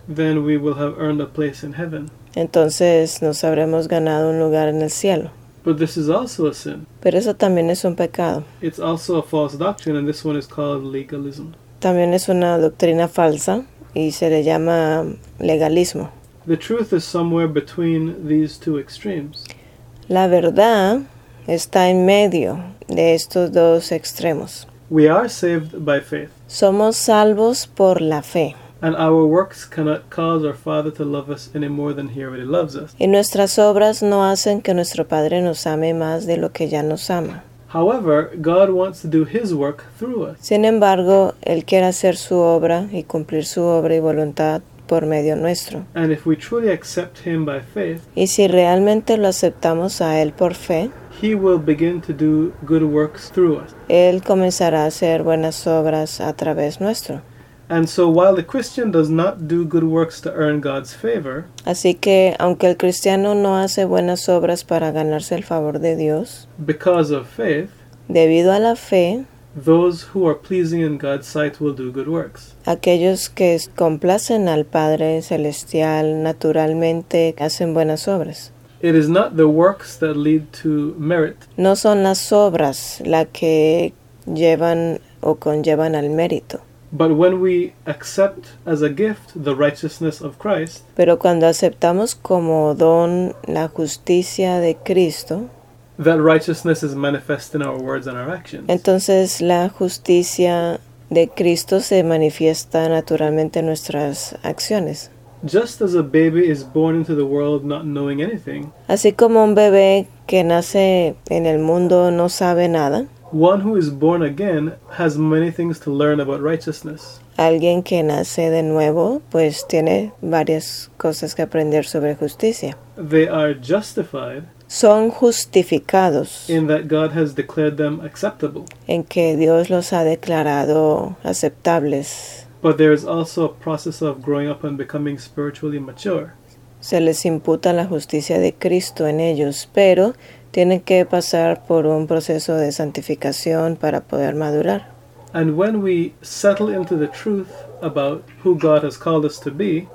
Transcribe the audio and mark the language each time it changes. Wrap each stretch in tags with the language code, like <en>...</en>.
<en>then we will have earned a place in heaven.</en> <es>Entonces nos habremos ganado un lugar en el cielo.</es> <en>But this is also a sin.</en> <es>Pero eso también es un pecado.</es> <en>It's also a false doctrine, and this one is called legalism.</en> <es>También es una doctrina falsa y se le llama legalismo.</es> <en>The truth is somewhere between these two extremes.</en> <es>La verdad está en medio de estos dos extremos.</es> <en>We are saved by faith.</en> <es>Somos salvos por la fe.</es> <en>And our works cannot cause our Father to love us any more than He already loves us.</en> <es>Y nuestras obras no hacen que nuestro Padre nos ame más de lo que ya nos ama.</es> <en>However, God wants to do His work through us.</en> <es>Sin embargo, Él quiere hacer su obra y cumplir su obra y voluntad por medio nuestro.</es> <en>And if we truly accept Him by faith,</en> <es>y si realmente lo aceptamos a Él por fe,</es> <en>He will begin to do good works through us.</en> <es>Él comenzará a hacer buenas obras a través nuestro.</es> <en>And so while the Christian does not do good works to earn God's favor,</en> <es>así que aunque el cristiano no hace buenas obras para ganarse el favor de Dios,</es> <en>because of faith,</en> <es>debido a la fe,</es> <en>those who are pleasing in God's sight will do good works.</en> <es>Aquellos que complacen al Padre Celestial naturalmente hacen buenas obras.</es> <en>It is not the works that lead to merit.</en> <es>No son las obras la que llevan o conllevan al mérito.</es> <en>But when we accept as a gift the righteousness of Christ,</en> <es>pero cuando aceptamos como don la justicia de Cristo,</es> <en>that righteousness is manifest in our words and our actions.</en> <es>Entonces la justicia de Cristo se manifiesta naturalmente en nuestras acciones.</es> <en>Just as a baby is born into the world not knowing anything,</en> <es>así como un bebé que nace en el mundo no sabe nada,</es> <en>one who is born again has many things to learn about righteousness.</en> <es>Alguien que nace de nuevo, pues tiene varias cosas que aprender sobre justicia.</es> <en>They are justified.</en> <es>Son justificados.</es> <en>In that God has declared them acceptable.</en> <es>En que Dios los ha declarado aceptables.</es> <en>But there is also a process of growing up and becoming spiritually mature.</en> <es>Se les imputa la justicia de Cristo en ellos, pero tienen que pasar por un proceso de santificación para poder madurar.</es> <en>And when we settle into the truth about who God has called us to be,</en>